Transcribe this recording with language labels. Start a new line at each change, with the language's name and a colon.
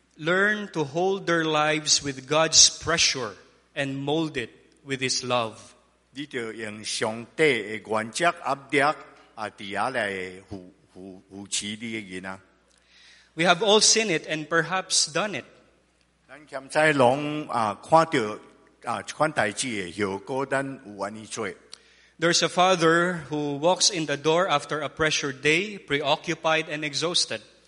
English: Learn to hold their lives with God's pressure and mold it with His love.
Min Nan Chinese: 你就用上帝的原则压力啊，底下来扶持你的囡仔。
English: We have all seen it and perhaps done it.
Min Nan Chinese: 咱现在拢看到这款代志的后果，咱有安尼做。
English: There's a father who walks in the door after a pressured day, preoccupied and exhausted.